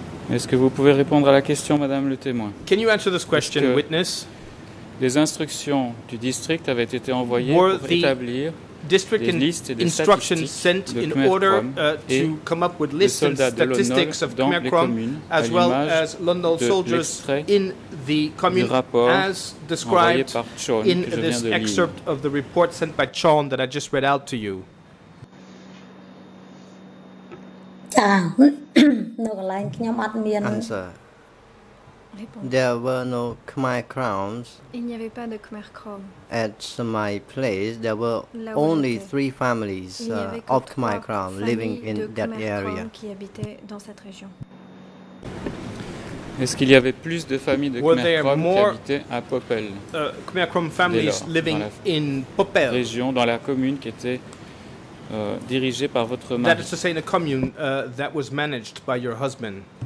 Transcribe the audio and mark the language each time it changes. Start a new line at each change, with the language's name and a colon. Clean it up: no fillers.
French: Est-ce que vous pouvez répondre à la question, Madame le témoin?
English: Can you answer this question, witness?
French: Des instructions du district avaient été envoyées pour établir des listes et des
English: instructions sent in order to come up with lists and statistics of Khmer Krom, as well as Lon Nol soldiers in the commune, as described in this excerpt of the report sent by Chorn that I just read out to you. Answer. There were no Khmer Krums.
French: Il n'y avait pas de Khmer Krom.
English: At my place, there were only three families of Khmer Krom living in that area.
French: Qui habitaient dans cette région. Est-ce qu'il y avait plus de familles de Khmer Krom qui habitaient à Popel?
English: Khmer Krom families living in Popel.
French: Région dans la commune qui était dirigé par votre mari.
English: That is to say, in a commune that was managed by your husband.